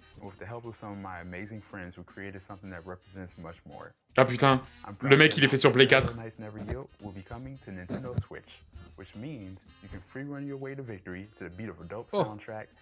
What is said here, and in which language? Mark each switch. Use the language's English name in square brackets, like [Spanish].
[English] With the help of some of my amazing friends, we created something that represents much more. [French] Ah putain, le mec, il est fait sur Play 4. [English] Aerial Knight Never Yield will be coming to Nintendo Switch, which means you can free run your way to victory to the beat of a dope soundtrack.